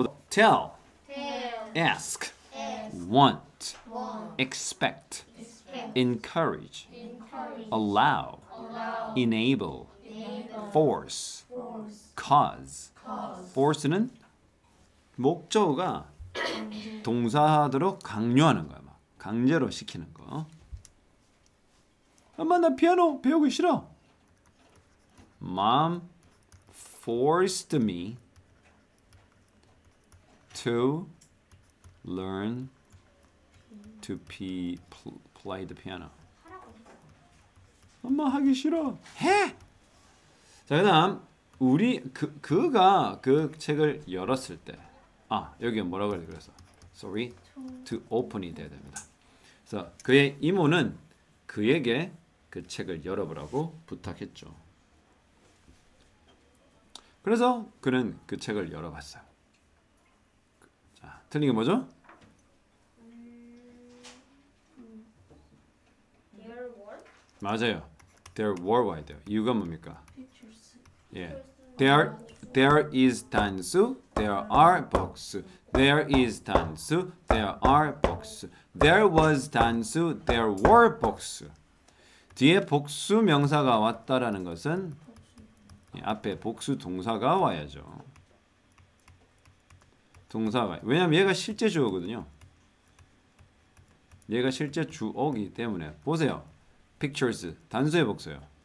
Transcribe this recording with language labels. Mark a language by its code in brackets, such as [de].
[en] Tell, ask, want, expect, encourage, allow, enable, force, cause. [ko] Force는 목적어가 동사하도록 강요하는 거야. 막 강제로 시키는 거. 엄마 나 피아노 배우기 싫어. [en] Mom forced me to learn to play the piano. [ko] 엄마 하기 싫어. 해. 자, 그다음 우리 그가 그 책을 열었을 때, 아 여기 뭐라고 그래 그래서 [en] sorry to open [ko] 이 돼야 됩니다. 그래서 그의 이모는 그에게 그 책을 열어보라고 부탁했죠. 그래서 그는 그 책을 열어봤어요. 자, 틀린 게 뭐죠? [en] There were? [ko] 맞아요. [en] There were [ko] 와야 돼요. 이유가 뭡니까? [en] Pictures. [ko] 예. [en] There is 단수, there are books. There is 단수, there are books. There was 단수, there were books. [ko] 뒤에 복수 명사가 왔다라는 것은 앞에 복수 동사가 와야죠. 동사가 왜냐면 얘가 실제 주어거든요. 얘가 실제 주어이기 때문에 보세요. Pictures 단수의 복수예요.